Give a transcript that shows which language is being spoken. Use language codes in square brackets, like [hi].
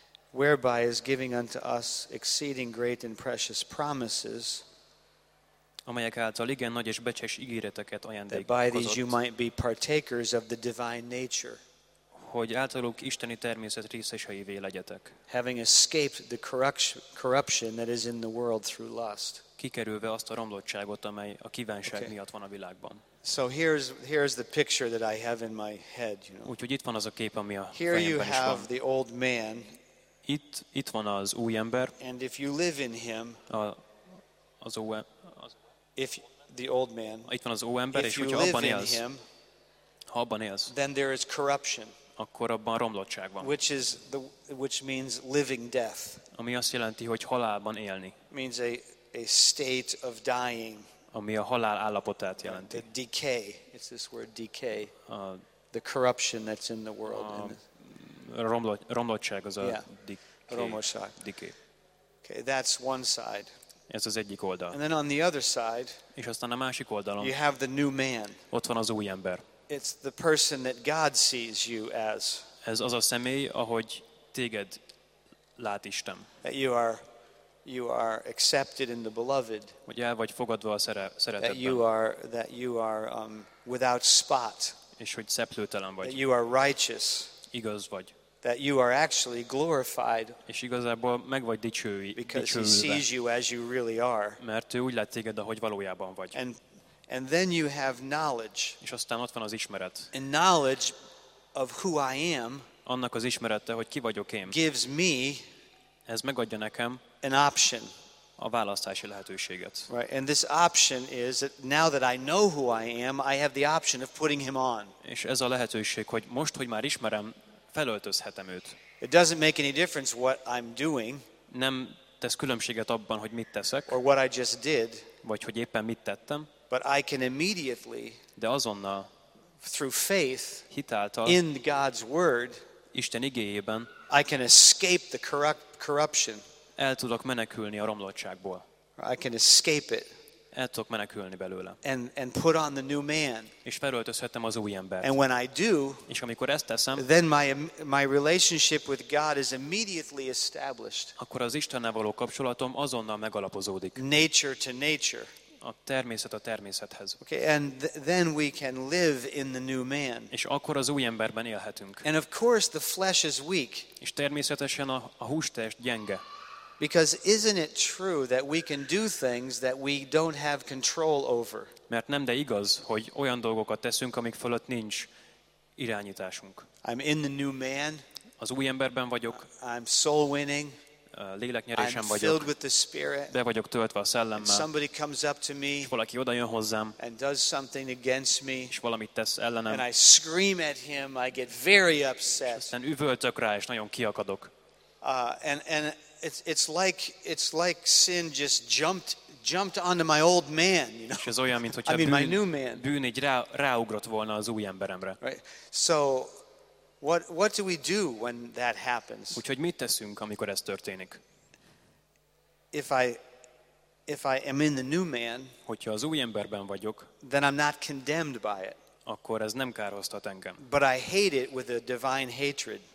[en] Whereby is giving unto us exceeding great and precious promises, [hu] amelyek által igen nagy és becses ígéreteket ajándékozott, [en] that by these you might be partakers of the divine nature, [hu] hogy általuk isteni természet részeseivé legyetek, [en] having escaped the corruption that is in the world through lust, [hu] kikerülve azt a romlottságot, amely a kívánság miatt van a világban. [en] So here's the picture that I have in my head, you know. [hu] Úgyhogy itt van az a kép, ami a fejemben is van. [en] Here you have the old man. [hu] Itt van az új ember. [en] And if you live in him, if the old man, [hu] itt van az új ember, és hogyha abban élsz, him, ha abban élsz, [en] then there is corruption, [hu] akkor abban romlottság van. [en] Which means living death. [hu] Ami azt jelenti, hogy halálban élni. [en] Means a state of dying. [hu] Ami a halál állapotát jelenti. [en] The decay. It's this word decay. The corruption that's in the world. [hu] Romlottság az a [en] romlottság. Okay, that's one side. [hu] Ez az egyik oldal. [en] And then on the other side, [hu] és aztán a másik oldalon, [en] you have the new man. [hu] Ott van az új ember. [en] It's the person that God sees you as. [hu] Ez az a személy, ahogy téged lát Isten. [en] That you are accepted in the beloved. [hu] Hogy el vagy fogadva a szeretetben. [en] That you are without spot. [hu] És hogy szeplőtelen vagy. [en] That you are righteous. [hu] Igaz vagy. [en] That you are actually glorified. [hu] És igazából meg vagy dicsőülve. [en] Because he sees you as you really are. [hu] Mert ő úgy lát téged, ahogy valójában vagy. [en] And then you have knowledge. [hu] És aztán ott van az ismeret. [en] And knowledge of who I am. [hu] Annak az ismerete, hogy ki vagyok én. [en] Gives me. [hu] Ez megadja nekem. [en] An option. [hu] A választási lehetőséget. [en] Right. And this option is that now that I know who I am, I have the option of putting him on. [hu] És ez a lehetőség, hogy most, hogy már ismerem, felöltözhetem őt. [en] It doesn't make any difference what I'm doing. [hu] Nem tesz különbséget abban, hogy mit teszek. [en] Or what I just did. [hu] Vagy hogy éppen mit tettem. [en] But I can immediately, [hu] de azonnal, [en] through faith, [hu] hitáltal, [en] in God's word, [hu] Isten igéjében, [en] I can escape the corruption. [hu] El tudok menekülni a romlottságból. [en] I can escape it. [hu] El tudok menekülni belőle. [en] And put on the new man. [hu] És felöltözhetem az új embert. [en] And when I do, [hu] és amikor ezt teszem, [en] then my relationship with God is immediately established. [hu] Akkor az Istennel való kapcsolatom azonnal megalapozódik. [en] Nature to nature. [hu] A természet a természethez. [en] Okay, and then we can live in the new man. [hu] És akkor az új emberben élhetünk. [en] And of course the flesh is weak. [hu] És természetesen a hústest gyenge. [en] Because isn't it true that we can do things that we don't have control over? [hu] Mert nem de igaz, hogy olyan dolgokat teszünk, amik fölött nincs irányításunk. [en] I'm in the new man. [hu] Az új emberben vagyok. [en] I'm soul winning. [hu] Léleknyerésen vagyok. [en] I'm filled with the spirit. [hu] Be vagyok töltve a szellemmel. [en] And somebody comes up to me. [hu] És valaki odajön hozzám. [en] And does something against me. [hu] És valamit tesz ellenem. [en] And I scream at him. I get very upset. [hu] És aztán üvöltök rá, és nagyon kiakadok. [en] It's like sin just jumped onto my old man, you know. [hu] És olyan, mint hogyha [en] my new man. [hu] Bűn így ráugrott volna az új emberemre. [en] Right. So what do we do when that happens? [hu] Úgyhogy mit teszünk, amikor ez történik? [en] If I am in the new man, [hu] hogyha az új emberben vagyok, [en] then I'm not condemned by it. [hu] Akkor ez nem károsztat engem. [en] But I hate it with a divine hatred.